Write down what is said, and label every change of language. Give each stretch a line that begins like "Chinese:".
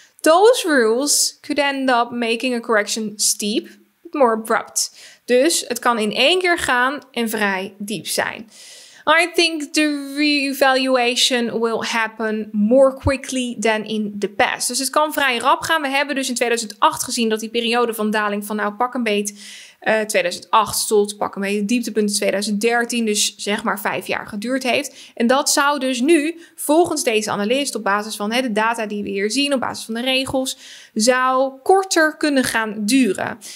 English: Those rules could end up making a correction steep, but more abrupt.
Dutch: Dus het kan in één keer gaan en vrij diep zijn.
English: I think the revaluation will happen more quickly than in the past.
Dutch: Dus het kan vrij rap gaan. We hebben dus in 2008 gezien dat die periode van daling van nou pak een beet 2008 tot pak een beet dieptepunt 2013, dus zeg maar 5 jaar geduurd heeft. En dat zou dus nu volgens deze analist op basis van de data die we hier zien, op basis van de regels, zou korter kunnen gaan duren.